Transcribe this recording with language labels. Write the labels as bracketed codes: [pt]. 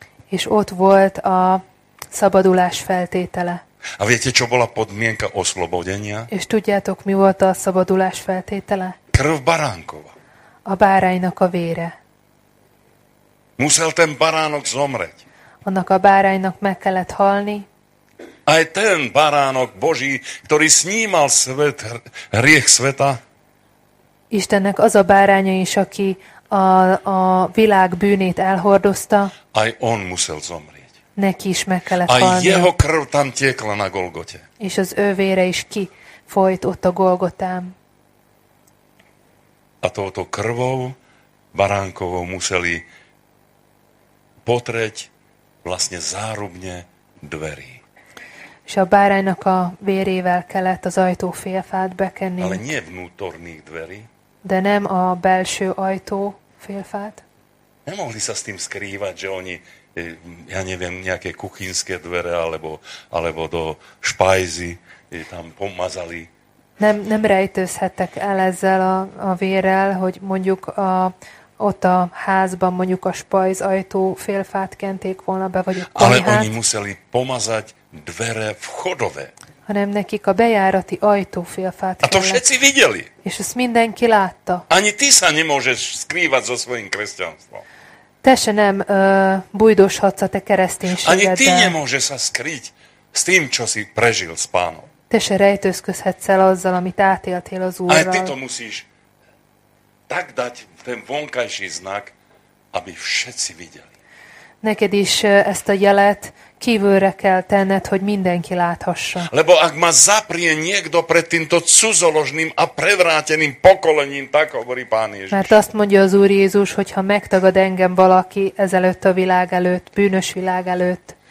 [hu] És ott volt a szabadulás feltétele. [sk] A viete, čo bola podmienka oslobodenia? [hu] És tudjátok, mi volt a szabadulás feltétele? [sk] Krv baránkova. [hu] A báránynak a vére. [sk] Musel ten baránok zomreť. [hu] Annak a báránynak meg kellett halni. [sk] Aj ten baránok Boží, ktorý snímal svet, hriech sveta, [hu] Istennek az a báránya is, aki a világ bűnét elhordozta. [sk] Aj on musel zomrieť. [hu] Neki is meg kellett halni. [sk] Aj jeho krv tam tiekla na Golgote. [hu] És az ő vére is kifolyt ott a Golgotán. [sk] A touto krvou baránkovou museli potreť vlastne zárubne dverí. [hu] És a báránynak a vérével kellett az ajtó félfát bekenni. [sk] Ale nie vnútorných dverí. [hu] De nem a belső ajtó félfát. [sk] Nem mohli sa s tým skrývať, že oni, ja neviem, nejaké kuchynské dvere, alebo do špajzy tam pomazali. [hu] Nem rejtőzhettek el ezzel a vérrel, hogy mondjuk ott a házban mondjuk a spajz ajtó félfát kenték volna be, vagy a konyhát. [sk] Ale oni museli pomazať dvere vchodové. [hu] Hanem nekik a bejárati ajtó félfát kellett. [sk] A to všetci videli. [hu] És ezt mindenki látta. [sk] Ani ty sa nemôžeš skrývať so svojím kresťanstvom. [hu] Te se nem bujdoshatsz a te kereszténységeddel. [sk] Ani ty nemôžeš sa skryť s tým, čo si prežil s Pánom. [hu] Te se rejtőzködhetsz el azzal, amit átéltél az Úrral. [sk] Aj ty to musíš tak dať ten vonkajší znak, aby všetci videli. [hu] Neked is ezt a jelet kívülre kell tenned, hogy mindenki láthassa. [sk] Lebo ak ma zaprie niekto pred týmto cudzoložným a prevráteným pokolením, tak hovorí Pán Ježiš. [hu] Mert azt mondja az Úr Jézus, hogyha megtagad engem valaki ezelőtt a világ előtt, bűnös világ előtt,